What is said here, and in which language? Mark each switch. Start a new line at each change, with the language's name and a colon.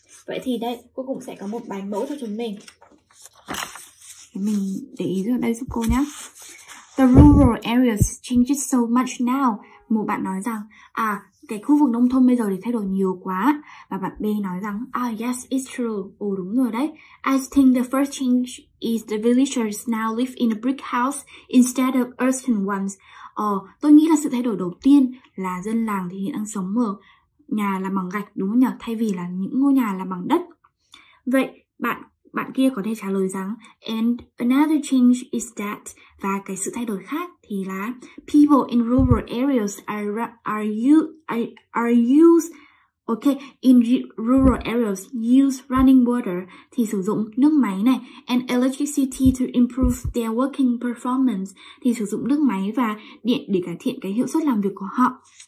Vietnamese: Vậy thì đây, cô cũng sẽ có một bài mẫu cho chúng mình. Mình để ý ra đây giúp cô nhé.
English: The rural areas changes so much now.
Vietnamese: Một bạn nói rằng, à, cái khu vực nông thôn bây giờ thì thay đổi nhiều quá. Và bạn B nói rằng,
English: ah, yes, it's true.
Vietnamese: Ồ, đúng rồi đấy.
English: I think the first change is the villagers now live in a brick house instead of earthen ones.
Vietnamese: Ồ, tôi nghĩ là sự thay đổi đầu tiên là dân làng thì hiện đang sống ở nhà là bằng gạch, đúng không nhỉ? Thay vì là những ngôi nhà là bằng đất. Vậy, bạn kia có thể trả lời rằng
English: and another change is that,
Vietnamese: và cái sự thay đổi khác thì là
English: people in rural areas use running water,
Vietnamese: thì sử dụng nước máy này,
English: and electricity to improve their working performance,
Vietnamese: thì sử dụng nước máy và điện để cải thiện cái hiệu suất làm việc của họ.